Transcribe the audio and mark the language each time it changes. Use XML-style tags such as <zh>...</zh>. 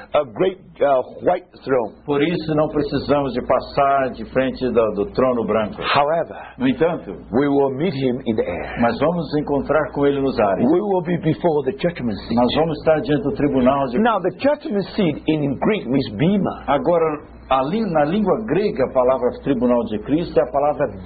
<en>No longer go through that great white throne.</en> <pt>Por isso não precisamos de passar de frente do trono branco.</pt> <en>However,</en> <pt>no entanto,</pt> <en>we will meet him in the air.</en> <pt>Mas vamos encontrar com ele nos ares.</pt> <en>We will be before the judgment seat.</en> <pt>Nós vamos estar diante do tribunal de.</pt> <en>Now the judgment seat in Greek means bima.</en> <pt>Agora ali na língua grega a palavra tribunal de Cristo é a palavra bima.</pt>